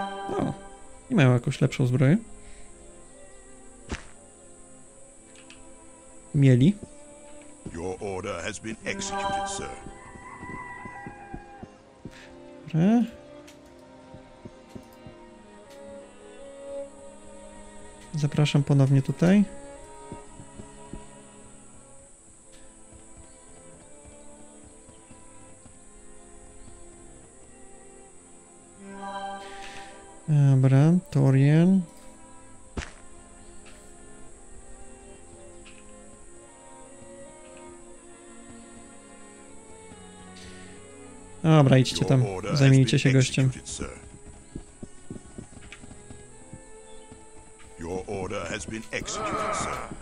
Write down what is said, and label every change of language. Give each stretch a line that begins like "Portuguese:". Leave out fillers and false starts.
Polish: No, nie mają jakąś lepszą zbroję. Mieli.
English: Your order has been executed, sir.
Polish: Dobra. Zapraszam ponownie tutaj. Dobra, Torian. Dobra, idźcie tam, zajmijcie się gościem.
English: Your order has been executed, sir.